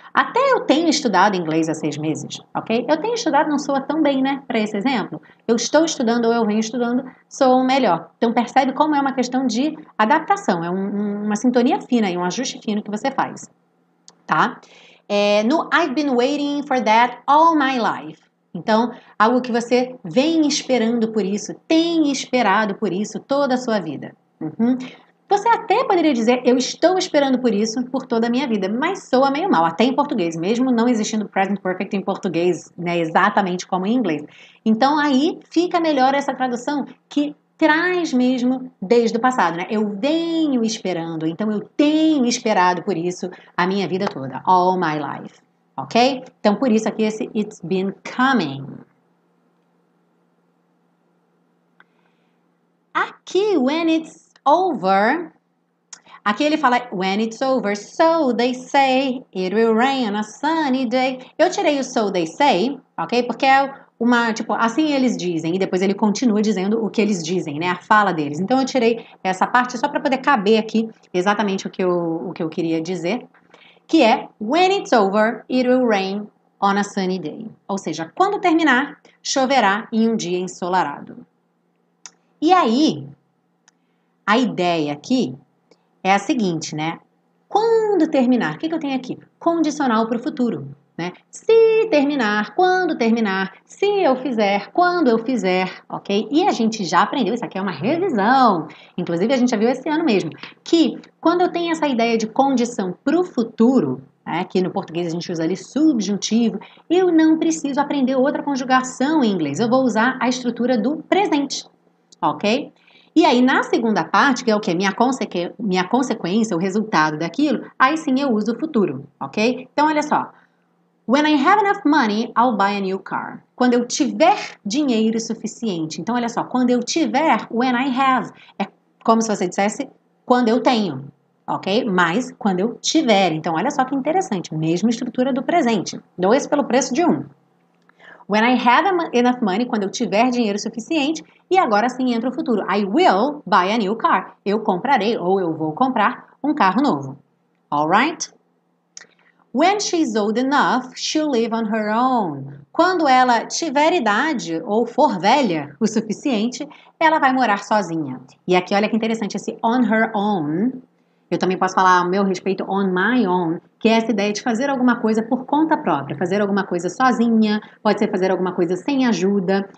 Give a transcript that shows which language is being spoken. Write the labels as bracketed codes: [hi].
[pt] Até eu tenho estudado inglês há 6 meses, ok? Eu tenho estudado, não soa tão bem, né, para esse exemplo. Eu estou estudando ou eu venho estudando, soa melhor. Então percebe como é uma questão de adaptação, é uma sintonia fina e um ajuste fino que você faz, tá? [en] No I've been waiting for that all my life. [pt] Então, algo que você vem esperando por isso, tem esperado por isso toda a sua vida. Uhum. Você até poderia dizer, eu estou esperando por isso por toda a minha vida, mas soa meio mal, até em português, mesmo não existindo present perfect em português, né, exatamente como em inglês. Então, aí fica melhor essa tradução que traz mesmo desde o passado, né? Eu venho esperando, então eu tenho esperado por isso a minha vida toda, all my life. Ok? Então, por isso aqui esse it's been coming. Aqui, [en] when it's over, [pt] aqui ele fala [en] when it's over, so they say it will rain on a sunny day. [pt] Eu tirei o [en] so they say, [pt] ok? Porque é uma, tipo, assim eles dizem, e depois ele continua dizendo o que eles dizem, né? A fala deles. Então, eu tirei essa parte só para poder caber aqui exatamente o que eu queria dizer. Que é, [en] when it's over, it will rain on a sunny day. [pt] Ou seja, quando terminar, choverá em um dia ensolarado. E aí, a ideia aqui é a seguinte, né? Quando terminar, o que eu tenho aqui? Condicional para o futuro, né? Se terminar, quando terminar, se eu fizer, quando eu fizer, ok? E a gente já aprendeu, isso aqui é uma revisão, inclusive a gente já viu esse ano mesmo, que quando eu tenho essa ideia de condição para o futuro, né, que no português a gente usa ali subjuntivo, eu não preciso aprender outra conjugação em inglês, eu vou usar a estrutura do presente, ok? E aí, na segunda parte, que é o quê? Minha consequência, o resultado daquilo, aí sim eu uso o futuro, ok? Então, olha só. [en] When I have enough money, I'll buy a new car. [pt] Quando eu tiver dinheiro suficiente. Então, olha só. Quando eu tiver, [en] when I have. [pt] É como se você dissesse, quando eu tenho. Ok? Mas, quando eu tiver. Então, olha só que interessante. Mesma estrutura do presente. 2 pelo preço de 1. [en] When I have enough money, [pt] quando eu tiver dinheiro suficiente. E agora sim entra o futuro. [en] I will buy a new car. [pt] Eu comprarei ou eu vou comprar um carro novo. [en] All right? When she's old enough, she'll live on her own. [pt] Quando ela tiver idade ou for velha o suficiente, ela vai morar sozinha. E aqui, olha que interessante, esse on her own. Eu também posso falar ao meu respeito, on my own, que é essa ideia de fazer alguma coisa por conta própria. Fazer alguma coisa sozinha, pode ser fazer alguma coisa sem ajuda.